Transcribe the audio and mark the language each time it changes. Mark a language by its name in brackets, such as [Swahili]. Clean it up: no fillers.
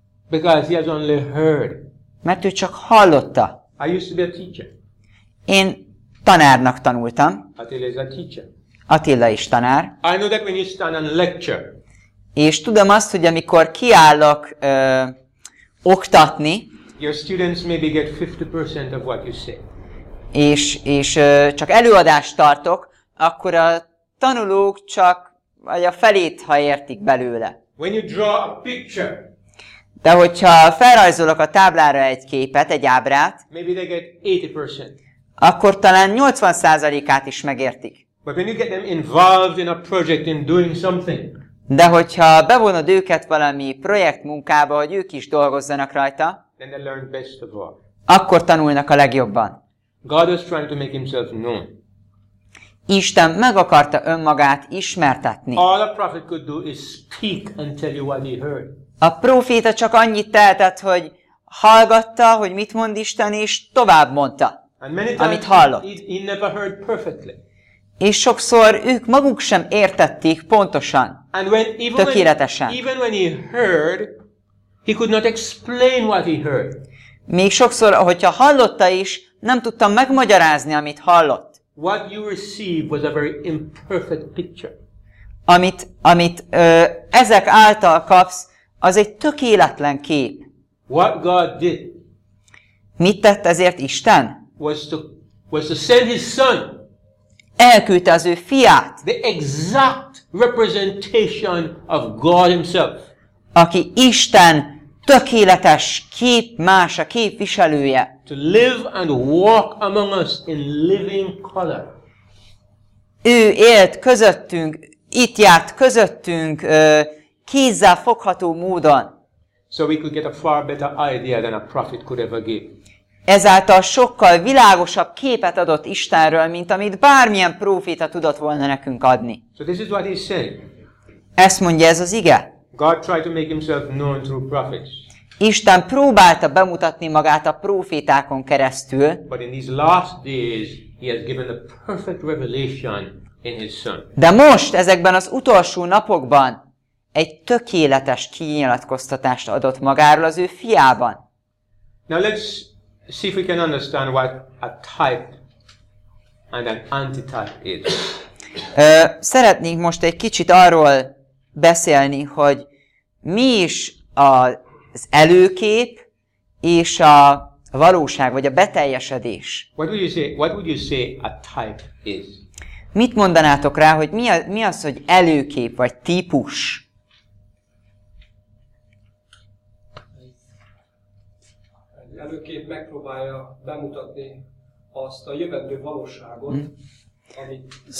[English] Because he has only heard. [Hungarian] Mert ő csak hallotta. [English] I used to be a teacher. [Hungarian] Én tanárnak tanultam. [English] Attila is a teacher. [Hungarian] Attila is tanár. [English] I know that when you stand and lecture. [Hungarian] És tudom azt, hogy amikor kiállok oktatni, [English] your students maybe get 50% of what you say. [Hungarian] És csak előadást tartok, akkor a tanulók csak vagy a felét, ha értik belőle. [English] When you draw a picture. [Hungarian] De hogyha felrajzolok a táblára egy képet, egy ábrát, [English] maybe they get 80%. [Hungarian] Akkor talán 80%-át is megértik. [English] But when you get them involved in a project in doing something. [Hungarian] De hogyha bevonod őket valami projektmunkába, hogy ők is dolgozzanak rajta, [English] then they learn best of all. [Hungarian] Akkor tanulnak a legjobban. [English] God was trying to make himself known. [Hungarian] Isten meg akarta önmagát ismertetni. [English] All a prophet could do is speak and tell you what he heard. [Hungarian] A proféta csak annyit tehetett, hogy hallgatta, hogy mit mond Isten, és tovább mondta, amit hallott. [English] He never heard perfectly. [Hungarian] És sokszor ők maguk sem értették pontosan, [English] and when, even [Hungarian] tökéletesen. [English] Even when he heard, he could not explain what he heard. [Hungarian] Még sokszor, hogyha hallotta is, nem tudta megmagyarázni, amit hallott. [English] What you received was a very imperfect picture. [Hungarian] Amit ezek által kapsz, az egy tökéletlen kép. [English] What God did? [Hungarian] Mit tett ezért Isten? [English] Was to send his son. [Hungarian] Elküldte az ő fiát. [English] The exact representation of God himself. [Hungarian] Aki Isten tökéletes kép mása, képviselője. [English] To live and walk among us in living color. [Hungarian] Ő élt közöttünk, itt járt közöttünk kézzel fogható módon. [English] So we could get a far better idea than a prophet could ever give. [Hungarian] Ezáltal sokkal világosabb képet adott Istenről, mint amit bármilyen próféta tudott volna nekünk adni. [English] So this is what he's saying. [Hungarian] Ezt mondja ez az ige. [English] God tried to make himself known through prophets. [Hungarian] Isten próbálta bemutatni magát a prófétákon keresztül. [English] But in these last days he has given the perfect revelation in his son. [Hungarian] De most ezekben az utolsó napokban egy tökéletes kinyilatkoztatást adott magáról az ő fiában. [English] Now let's see if we can understand what a type and an antitype is. [Hungarian] Szeretnénk most egy kicsit arról beszélni, hogy mi is az előkép és a valóság vagy a beteljesedés. [English] What would you say a type is? [Hungarian] Mit mondanátok rá, hogy mi az, hogy előkép vagy típus? Előkép megpróbálja bemutatni azt a jövendő valóságot, amit